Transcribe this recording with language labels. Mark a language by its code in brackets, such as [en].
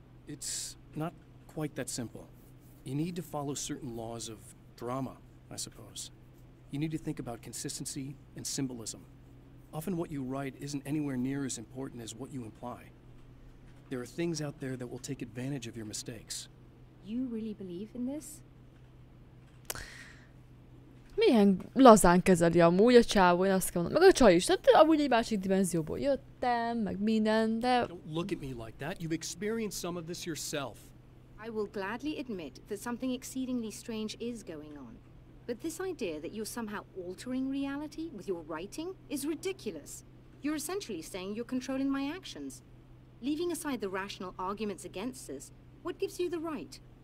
[en] It's not quite that simple. You need to follow certain laws of drama, I suppose. You need to think about consistency and symbolism. Often what you write isn't anywhere near as important as what you imply. There are things out there that will take advantage of your mistakes. You really believe in this? [hu] Milyen lazán kezeli amúgy a csávó, én azt kell mondani. Meg a csaj is, tehát amúgy egy másik dimenzióból jöttem, meg minden, de... [en] Don't look at me like that. You've experienced some of this yourself. I will gladly admit that something exceedingly strange is going on. But this idea that you're somehow altering reality with your writing is ridiculous. You're essentially saying you're controlling my actions. Leaving aside the rational arguments against this, what gives you the right?